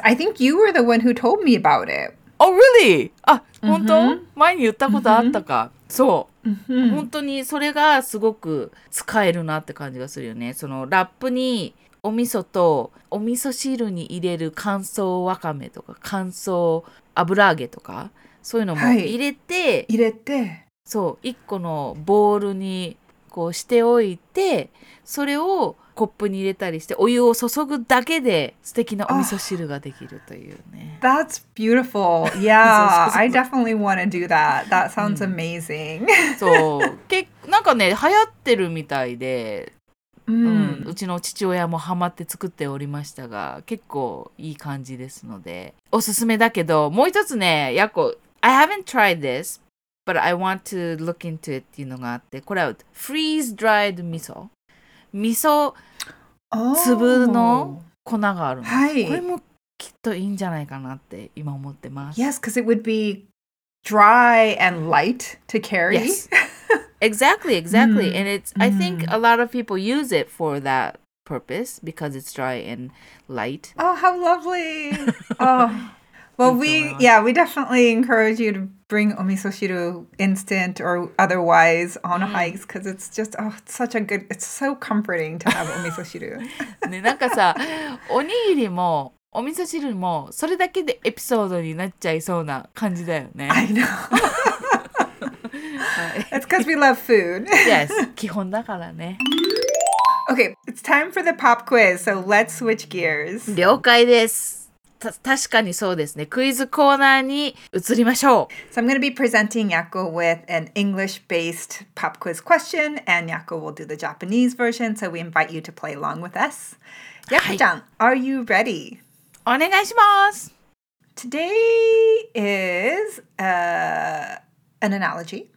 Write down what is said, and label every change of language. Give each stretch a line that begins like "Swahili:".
English: I think you were the one who told me about it. Oh, really?
Japanese: あ、本当？前に言ったことあったか。そう。本当にそれがすごく使えるなって感じがするよね。そのラップにお味噌とお味噌汁に入れる乾燥わかめとか乾燥油揚げとか、そういうのも入れて、はい、入れて、そう、一個のボウルにこうしておいて、それをコップに入れたりして、お湯を注ぐだけで素敵なお味噌汁ができるというね。
English: Oh, that's beautiful. Yeah, I definitely want to do that. That sounds amazing.
Japanese: そう、なんかね、流行ってるみたいで、うちの父親もハマって作っておりましたが、結構いい感じですので、おすすめだけど、もう一つね、やっこ、
English: I haven't tried this, but I want to look into it
Japanese: っていうのがあって、これは freeze-dried 味噌。味噌粒の粉があるの、はい、これもきっといいんじゃないかなって今思ってます。
English: Yes, because it would be dry and light to carry. Yes, exactly, exactly. And it's, I think a lot of people use it for that purpose because it's dry and light. Oh, how lovely! Oh, well, we definitely encourage you to bring omisoshiru instant or otherwise on hikes because it's just, oh, it's such a good, it's so comforting to have omisoshiru.
Japanese: ね、なんかさ、おにぎりもお味噌汁もそれだけでエピソードになっちゃいそうな感じだよね。
English: I know. It's because we love food.
Japanese: Yes, 基本だからね。
English: Okay, it's time for the pop quiz, so let's switch gears.
Japanese: 了解です。確かにそうですね。クイズコーナーに移りましょう。
English: So I'm going to be presenting Yakko with an English-based pop quiz question, and Yakko will do the Japanese version, so we invite you to play along with us. Yakko-chan, are you ready?
Japanese: お願いします。
English: Today is an analogy.